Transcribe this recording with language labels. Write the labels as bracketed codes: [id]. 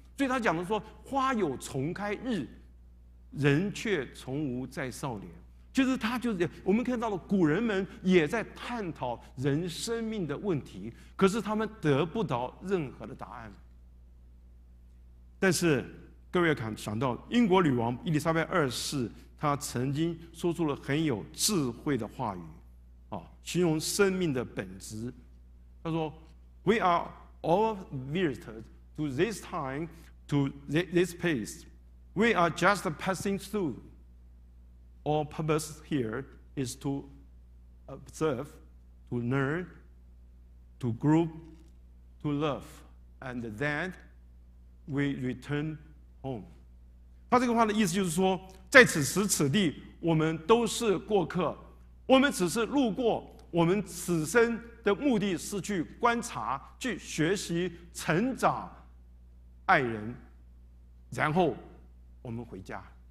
[zh] 所以他讲的说，花有重开日，人却从无再少年，就是他就是我们看到了古人们也在探讨人生命的问题，可是他们得不到任何的答案。但是各位要想到英国女王伊丽莎白二世，她曾经说出了很有智慧的话语，形容生命的本质。她说 [en] We are all visitors to this time, to this place. We are just passing through. Our purpose here is to observe, to learn, to grow, to love, and then we return home. [zh] 他这个话的意思就是说，在此时此地我们都是过客，我们只是路过，我们此生的目的是去观察，去学习，成长，爱人，然后我们回家。